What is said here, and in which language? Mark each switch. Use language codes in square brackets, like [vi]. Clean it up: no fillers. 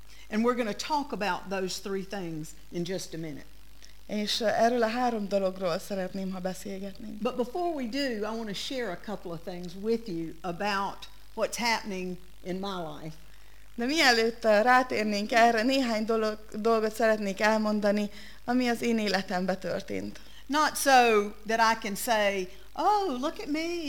[en] And we're going to talk about those three things in just a minute. [hu] És erről a három dologról szeretném, ha beszélgetnénk. [en] But before we do, I want to share a couple of things with you about what's happening in my life. [hu] De mielőtt rátérnénk erre, néhány dolgot szeretnék elmondani, ami az én életemben történt. [en] Not so that I can say, oh, look at me.